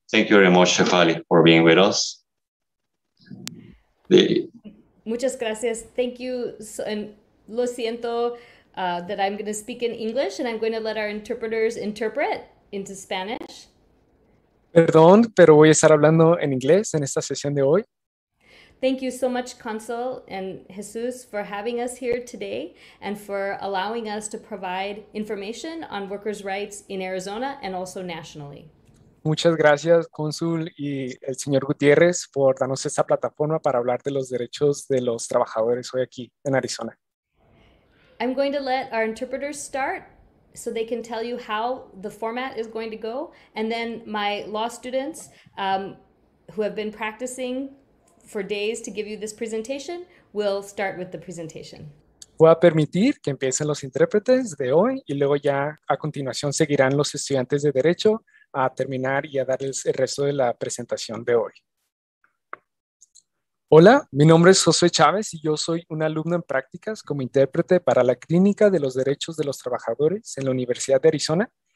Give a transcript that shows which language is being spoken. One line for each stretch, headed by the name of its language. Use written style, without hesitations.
English: Thank you very much, Shefali, for being with us.
Spanish: Muchas gracias.
English: Thank you.
Spanish: Lo siento
English: that I'm going to speak in English, and I'm going to let our interpreters interpret into Spanish.
Spanish: Perdón, pero voy a estar hablando en inglés en esta sesión de hoy.
English: Thank you so much, Consul and Jesus, for having us here today and for allowing us to provide information on workers' rights in Arizona and also nationally.
Spanish: Muchas gracias, Consul y el señor Gutiérrez, por darnos esta plataforma para hablar de los derechos de los trabajadores hoy aquí en Arizona.
English: I'm going to let our interpreters start, so they can tell you how the format is going to go. And then my law students who have been practicing for days to give you this presentation will start with the presentation.
Spanish: Voy a permitir que empiecen los intérpretes de hoy y luego ya a continuación seguirán los estudiantes de derecho a terminar y a darles el resto de la presentación de hoy. Hola, mi nombre es José Chávez y yo soy un alumno en prácticas como intérprete para la Clínica de los Derechos de los Trabajadores en la Universidad de Arizona.